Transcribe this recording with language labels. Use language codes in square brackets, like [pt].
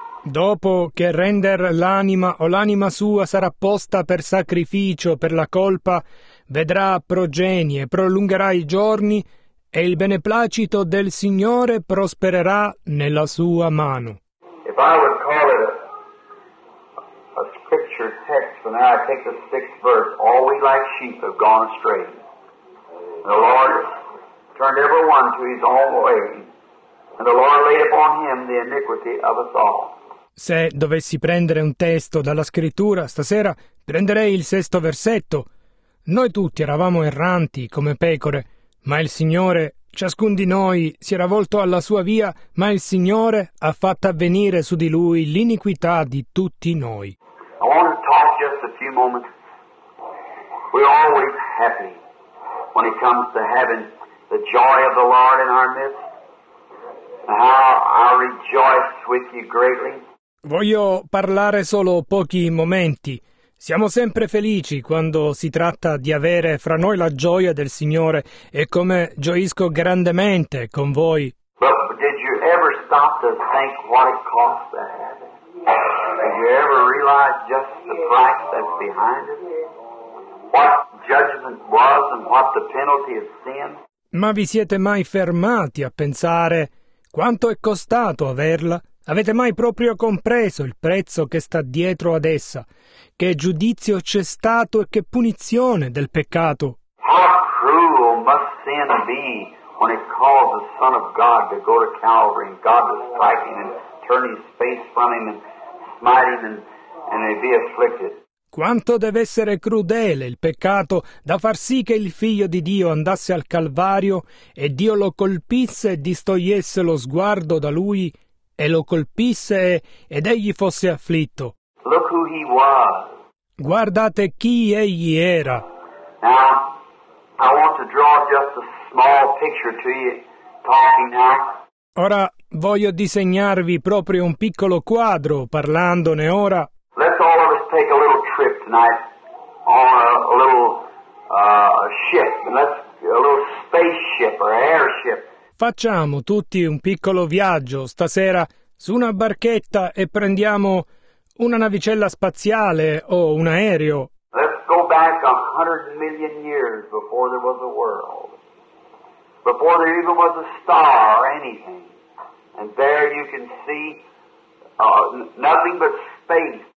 [it] Dopo che render l'anima o l'anima sua sarà posta per sacrificio per la colpa, vedrà progenie, prolungherà i giorni e il beneplacito del Signore prospererà nella sua mano. [en] If I would call it a scripture text, and then I take the sixth verse, all we like sheep have gone astray. The Lord turned every one to his own way, and the Lord laid upon him the iniquity of us all. [it] Se dovessi prendere un testo dalla scrittura stasera, prenderei il sesto versetto. Noi tutti eravamo erranti come pecore, ma il Signore, ciascun di noi, si era volto alla sua via, ma il Signore ha fatto avvenire su di lui l'iniquità di tutti noi. [en] I want to talk just a few moments. We're always happy when it comes to having the joy of the Lord in our midst. And how I rejoice with you greatly. [it] Voglio parlare solo pochi momenti. Siamo sempre felici quando si tratta di avere fra noi la gioia del Signore e come gioisco grandemente con voi. [en] Did you ever stop to think what it cost to have it? Did you ever realize just the price that's behind it? What judgment was and what the penalty of sin? [it] Ma vi siete mai fermati a pensare quanto è costato averla? Avete mai proprio compreso il prezzo che sta dietro ad essa? Che giudizio c'è stato e che punizione del peccato? [en] How cruel must sin be when it calls the Son of God to go to Calvary and God to strike him and turn his face from him and smite him and he be afflicted? [it] Quanto deve essere crudele il peccato da far sì che il Figlio di Dio andasse al Calvario e Dio lo colpisse e distogliesse lo sguardo da lui? E lo colpisse ed egli fosse afflitto. [en] Look who he was. [it] Guardate chi egli era. [en] Now, I want to draw just a small picture to you, talking now. [it] Ora voglio disegnarvi proprio un piccolo quadro parlandone ora. [en] Let's all of us take a little trip tonight on a little ship, a little spaceship or airship. [it] Facciamo tutti un piccolo viaggio stasera su una barchetta e prendiamo una navicella spaziale o un aereo. [en] Let's go back 100 million years before there was a world, before there even was a star or anything, and there you can see nothing but space.